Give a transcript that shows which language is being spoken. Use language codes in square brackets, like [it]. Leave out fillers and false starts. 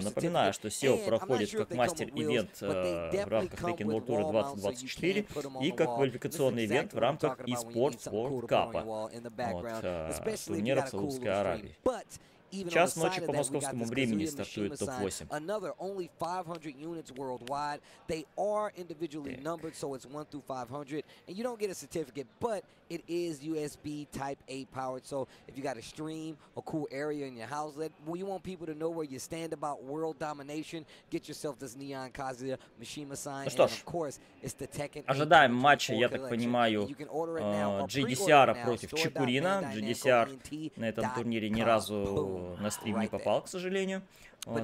[ru] Напоминаю, что SEO проходит как мастер-ивент в рамках Tekken World Tour 2024 и как квалификационный ивент в рамках eSports World Cup турнира в Саудовской Аравии. Час ночи по московскому времени стартует топ-8. [en] It is USB Type A powered, so if you got a stream, a cool area in your house, that well, you want people to know where you stand about world domination, get yourself this Neon Kazuya Mishima sign. [ru] Ну что ж, ожидаем матча, я так понимаю, GDCR против Чикурина. GDCR на этом турнире ни разу на стрим не попал, к сожалению. Вот.